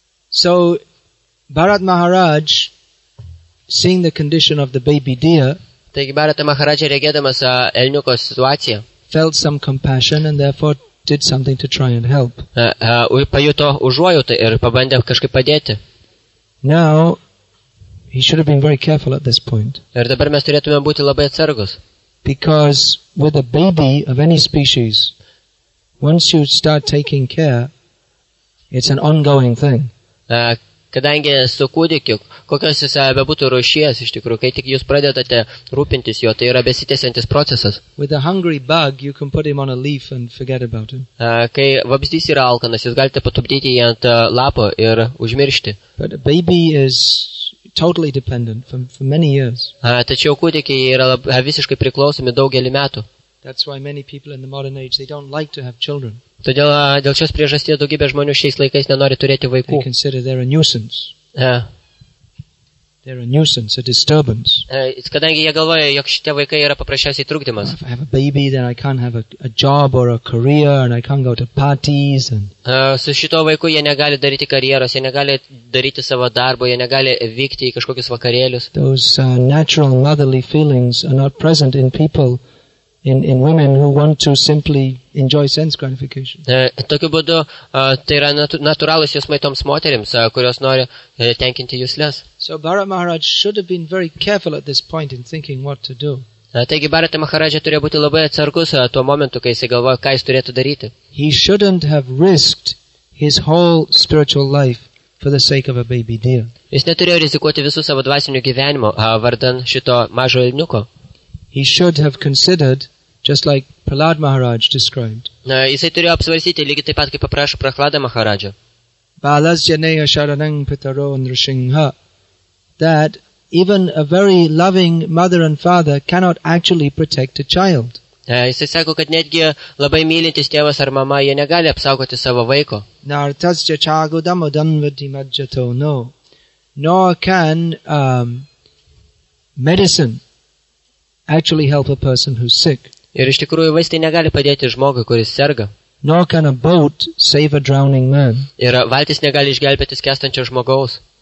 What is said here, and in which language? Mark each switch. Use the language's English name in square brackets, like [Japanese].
[English] So, Bharat Maharaj, seeing the condition of the baby deer, [Lithuanian] taigi Bharata Maharaja regėdamas elniuko situaciją, [English] felt some compassion and therefore did something to try and help. [Lithuanian] Pajuto užuojautą ir pabandė kažkaip padėti. [English] Now, He should have been very careful at this point. [Lithuanian] Ir dabar mes turėtume būti labai atsargus. [English] Because with a baby of any species, once you start taking care, it's an ongoing thing. [Lithuanian] Kadangi su kūdikiu, kokios jis bebūtų rūšies, iš tikrųjų, kai tik jūs pradedate rūpintis jo, tai yra besitęsiantis procesas. [English] With a hungry bug, you can put him on a leaf and forget about him. [Lithuanian] Kai vabzdys yra alkanas, jūs galite patupdyti jį ant lapo ir užmiršti. [English] But a baby is totally dependent for many years. [Lithuanian] Tačiau kūdikiai yra visiškai priklausomi daugelį metų. [English] That's why many people in the modern age, they don't like to have children. [Lithuanian] Todėl dėl šios priežasties daugybė žmonių šiais laikais nenori turėti vaikų. [English] They consider they're a nuisance. They're a nuisance, a disturbance. [Lithuanian] Kadangi jie galvoja, jog šitie vaikai yra paprasčiausiai trukdymas. [English] If I have a baby, then I can't have a job or a career and I can't go to parties and [Lithuanian] su šito vaiku jie negali daryti karjeros, jie negali daryti savo darbo, jie negali vykti į kažkokius vakarėlius. [English] Those natural motherly feelings are not present in people in women who want to simply enjoy sense gratification. [Lithuanian] Tokiu būdu, tai yra natūralus jausmai toms moterims, kurios nori tenkinti jusles. [English] So Bharata Maharaj should have been very careful at this point in thinking what to do. [Lithuanian] Taigi Bharata Maharaja turėjo būti labai atsargus tuo momentu, kai jis galvojo, ką jis turėtų daryti. [English] He shouldn't have risked his whole spiritual life for the sake of a baby deer. [Lithuanian] Jis neturėjo rizikuoti visų savo dvasinių gyvenimo vardan šito mažo elniuko. [English] He should have considered, just like Prahlad Maharaj described. [Lithuanian] Jisai turėjo apsvarsyti, lygiai taip pat, kaip paprašo Prahlada Maharaja. [Sanskrit] Balas janeya sharanang pitaro nrishingha. [English] That even a very loving mother and father cannot actually protect a child. [Lithuanian] Jisai sako, kad netgi labai mylintis tėvas ar mama, jie negali apsaugoti savo vaiko. [Sanskrit] Nartasya chagudamo danvati madjato, no. [English] Nor can medicine actually help a person who's sick. [Lithuanian] Ir iš tikrųjų vaistai negali padėti žmogui, kuris serga. [English] Nor can a boat save a drowning man. [Lithuanian] Ir valtis negali išgelbėti skęstančio žmogaus.